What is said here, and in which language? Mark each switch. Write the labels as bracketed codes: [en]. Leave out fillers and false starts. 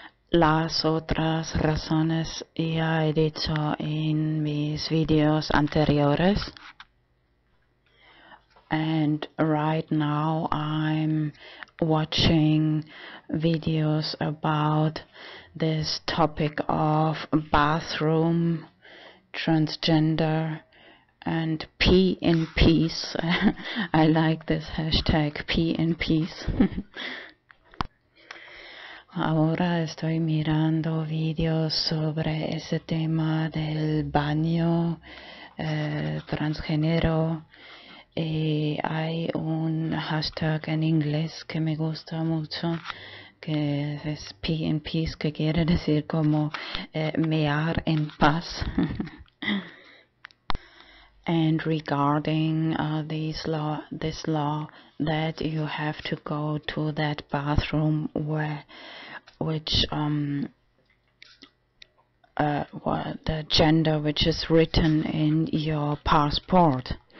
[es] Las otras razones ya he dicho en mis videos anteriores. [en] And right now I'm watching videos about this topic of bathroom, transgender, and pee in peace. I like this hashtag, pee in peace. [es] Ahora estoy mirando videos sobre ese tema del baño transgénero y hay un hashtag en inglés que me gusta mucho que es [en] pee in peace, [es] que quiere decir como mear en paz. [en] And regarding this law that you have to go to that bathroom the gender which is written in your passport.